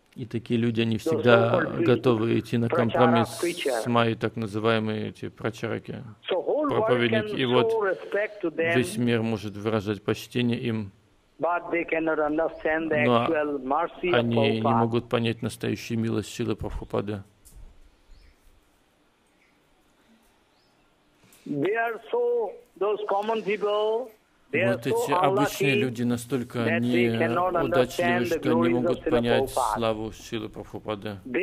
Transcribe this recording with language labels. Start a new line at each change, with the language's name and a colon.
Russian: И такие люди, они всегда готовы идти на компромисс с майей, так называемые эти прачараки, проповедники. И вот весь мир может выражать почтение им.
English: But they cannot understand the actual mercy of
Russian: они не могут понять настоящую милость Шрилы Прабхупады.
English: They are so those common people.
Russian: Вот эти обычные люди настолько неудачливы, что не могут понять славу Шрилы Прабхупады.